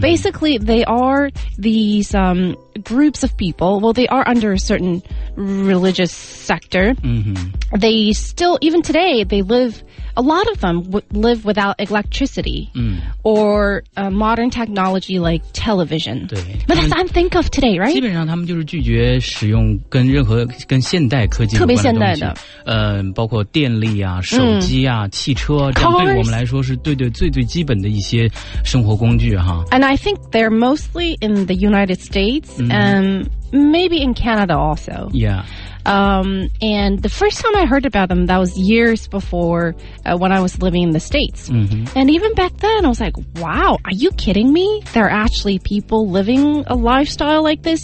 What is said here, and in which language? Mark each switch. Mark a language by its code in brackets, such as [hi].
[en] basically they are these、groups of people, well they are under a certain religious sector、嗯、 they still, even today, they liveA lot of them live without electricity、嗯、 or、modern technology like television. 对 But that's what I think of today, right? [zh] 基本上他们就是拒绝使用跟任何跟现代科技有关的东西。特别现代的。包括电力啊手机啊、嗯、汽车这样对我们来说是对对最最基本的一些生活工具哈。 [en] And I think they're mostly in the United States、嗯、 and maybe in Canada also. Yeah. And the first time I heard about them, that was years before、when I was living in the States.、 Mm-hmm. And even back then, I was like, wow, are you kidding me? There are actually people living a lifestyle like this.